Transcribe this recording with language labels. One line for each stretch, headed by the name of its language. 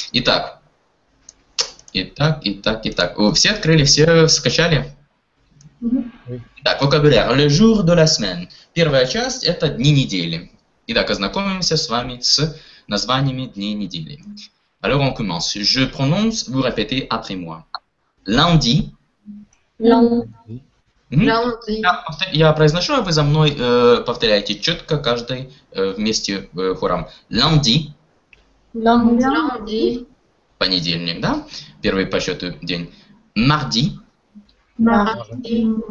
Russian: Итак, итак, итак, итак. Все открыли, все скачали? Mm-hmm. Так,
French: vocabulaire. Le jour de la semaine.
Russian: Первая часть – это дни недели. Итак, ознакомимся с вами с названиями дней недели.
French: Alors, on commence. Je prononce, vous répétez après moi. Lundi. Lundi. Mm-hmm. Lundi.
Russian: Я произношу, а вы за мной повторяете четко каждый вместе хором.
French: Lundi. Lundi. Lundi.
Russian: Понедельник, да? Первый по счету день. Марди.
French: Марди.